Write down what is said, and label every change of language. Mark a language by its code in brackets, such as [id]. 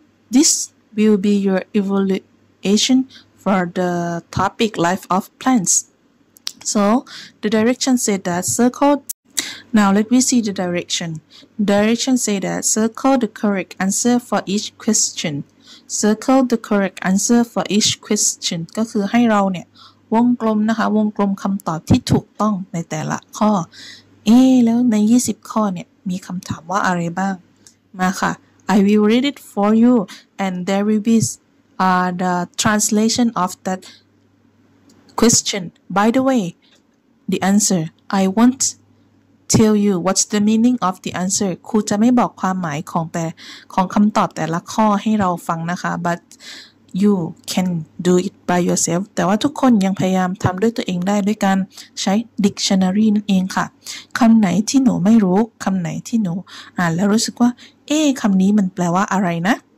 [en] This will be your evaluation for the topic life of plants. So the direction said that circle. Now let me see the direction. Direction said that circle the correct answer for each question. Circle the correct answer for each question. [th] ก็คือให้เราเนี่ยวงกลมนะคะวงกลมคำตอบที่ถูกต้องในแต่ละข้อแล้วใน20ข้อเนี่ยมีคำถามว่าอะไรบ้างมาค่ะ [en] I will read it for you and there will be the translation of that question. By the way, the answer, I won't tell you what's the meaning of the answer. [th] ครูจะไม่บอกความหมายของแต่ของคำตอบแต่ละข้อให้เราฟังนะคะ [en] but you can do it by yourself. [th] แต่ว่าทุกคนยังพยายามทำด้วยตัวเองได้ด้วยการใช้ dictionary นั่นเองค่ะคำไหนที่หนูไม่รู้คำไหนที่หนูอ่านแล้วรู้สึกว่าคำนี้มันแปลว่าอะไรนะ